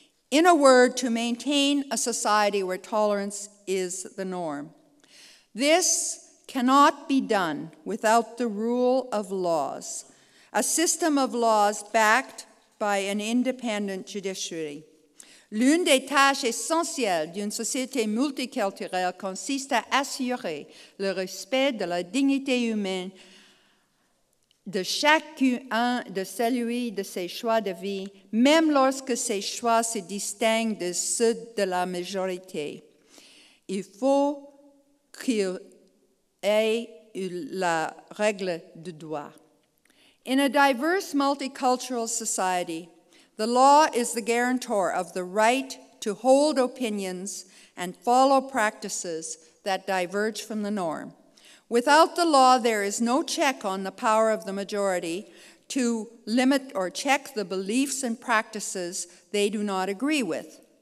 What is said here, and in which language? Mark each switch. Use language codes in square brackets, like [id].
[en] In a word, to maintain a society where tolerance is the norm. This cannot be done without the rule of laws, a system of laws backed by an independent judiciary. [fr] L'une des tâches essentielles d'une société multiculturelle consiste à assurer le respect de la dignité humaine de chacun de celui de ses choix de vie, même lorsque ces choix se distinguent de ceux de la majorité. Il faut qu'il ait la règle de droit. [en] In a diverse multicultural society, the law is the guarantor of the right to hold opinions and follow practices that diverge from the norm. Without the law, there is no check on the power of the majority to limit or check the beliefs and practices they do not agree with.